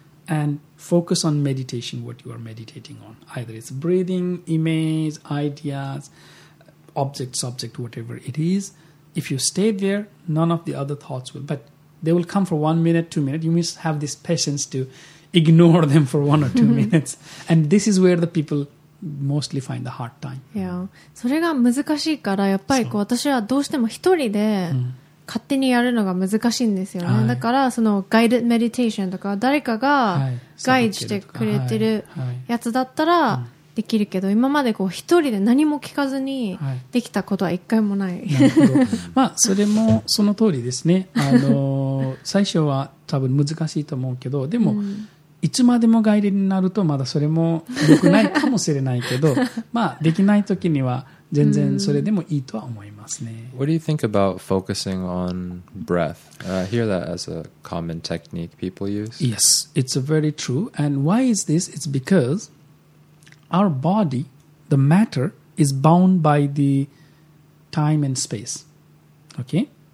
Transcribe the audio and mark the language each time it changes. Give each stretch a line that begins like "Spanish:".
English: And focus on meditation, what you are meditating on. Either it's breathing, image, ideas, object, subject, whatever it is. If you stay there, none of the other thoughts will. But they will come for 1 minute, 2 minutes. You must have this patience to ignore them for 1 or 2 minutes. And this is where the people mostly find the hard time. Yeah.
Japanese: それが難しいから、やっぱりこう、私はどうしても一人で、勝手にやるのが難しいんですよね、はい、だからそのガイドメディテーションとか誰かがガイドしてくれてるやつだったらできるけど、今までこう一人で何も聞かずにできたことは一回もない。まあそれもその通りですね。最初は多分難しいと思うけど、でもいつまでもガイドになるとまだそれも良くないかもしれないけど、まあできない時には全然それでもいいとは思います。
English: What do you think about focusing on breath? I hear that as a common technique people use. Yes, it's a very true. And why is this? It's because our body, the matter, is bound by the time and space. Okay?